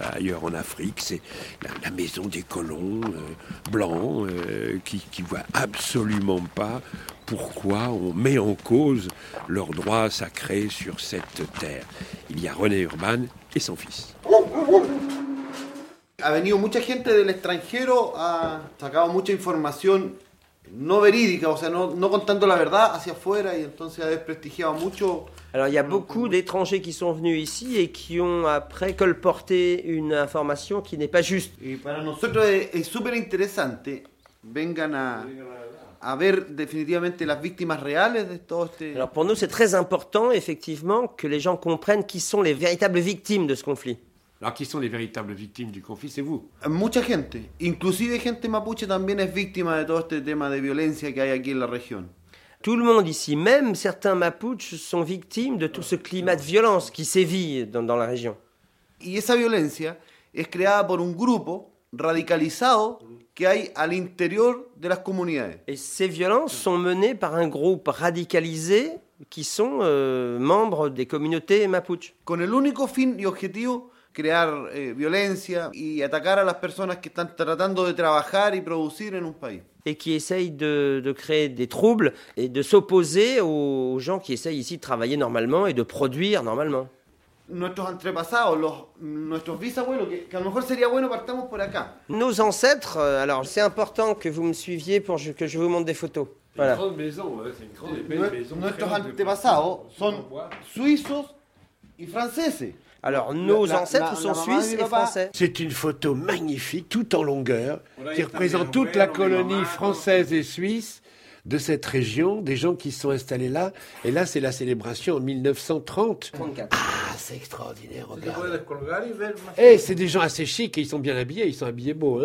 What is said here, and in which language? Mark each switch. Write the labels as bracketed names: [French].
[French] Ailleurs en Afrique, c'est la maison des colons blancs qui ne voient absolument pas pourquoi on met en cause leurs droits sacrés sur cette terre. Il y a René Urban et son fils. [Spanish] Ha venido mucha gente del extranjero, ha sacado mucha información no verídica, o sea, no contando la verdad hacia afuera y entonces ha desprestigiado mucho. [French] Alors il y a beaucoup d'étrangers qui sont venus ici et qui ont après colporté une information qui n'est pas juste. [Spanish] Y para nosotros es súper interesante vengan a ver definitivamente las víctimas reales de todo este. [French] Alors pour nous c'est très important effectivement que les gens comprennent qui sont les véritables victimes de ce conflit. Alors qui sont les véritables victimes du conflit, c'est vous. [Spanish] Mucha gente, inclusive gente mapuche también es víctima de todo este tema de violencia que hay aquí en la región. [French] Tout le monde ici, même certains mapuches sont victimes de tout ce climat de violence qui sévit dans la région. [Spanish] Y esa violencia es creada por un grupo radicalizado que hay al interior de las comunidades. [French] Et ces violences sont menées par un groupe radicalisé qui sont membres des communautés mapuches. [Spanish] Con el único fin y objetivo crear violencia y atacar a las personas que están tratando de trabajar y producir en un país. [French] Et qui essayent de créer des troubles et de s'opposer aux gens qui essayent ici de travailler normalement et de produire normalement. [Spanish] Nuestros antepasados, nuestros bisabuelos, que a lo mejor sería bueno partamos por acá. [French] Nos ancêtres, alors c'est important que vous me suiviez pour que je vous montre des photos. Voilà. C'est une grande maison, [Spanish] Nuestros antepasados son suizos y franceses. [French] Alors, nos ancêtres sont suisses et français. C'est une photo magnifique, tout en longueur, qui représente toute la colonie française et suisse de cette région, des gens qui sont installés là. Et là, c'est la célébration en 1930. 34. Ah, c'est extraordinaire, regarde. Et c'est des gens assez chics, ils sont bien habillés, ils sont habillés beaux.